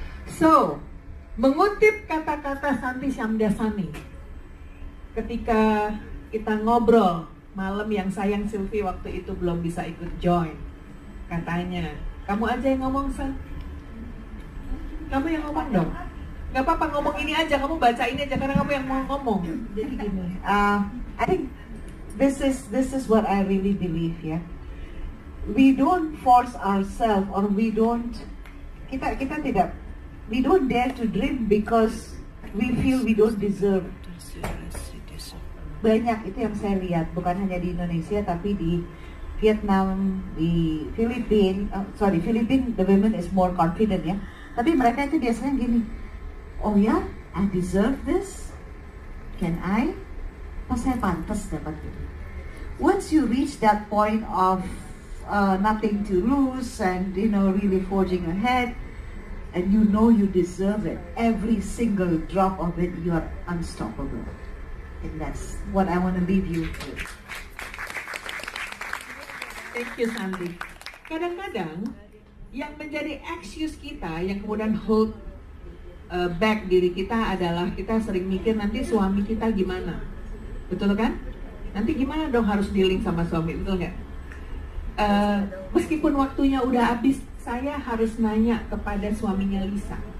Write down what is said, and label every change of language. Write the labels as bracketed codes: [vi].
[id] So, mengutip kata-kata Santi Syamdasani, ketika kita ngobrol malam yang sayang Silvi waktu itu belum bisa ikut join, katanya, kamu aja yang ngomong, San. Kamu yang ngomong dong. Gak apa-apa, ngomong ini aja, kamu baca ini aja karena kamu yang mau ngomong. Jadi gini, [en] I think this is what I really believe, yeah. We don't force ourselves, or we don't [id] kita tidak, [en] we don't dare to dream because we feel we don't deserve. [id] Banyak itu yang saya lihat, bukan hanya di Indonesia tapi di Vietnam, di Philippines [en] the women is more confident, [id] ya. Tapi mereka itu biasanya gini, oh ya, [en] I deserve this, can I? [id] Pas saya pantas dapat ini. [en] Once you reach that point of nothing to lose and you know really forging ahead, and you know you deserve it, every single drop of it, you are unstoppable. And that's what I want to leave you with. Thank you, Sandy. [id] Kadang-kadang yang menjadi excuse kita yang kemudian [en] hold back [id] diri kita adalah kita sering mikir nanti suami kita gimana, betul kan? Nanti gimana dong harus dealing sama suami, betul nggak? Meskipun waktunya udah habis, saya harus nanya kepada suaminya Lisa.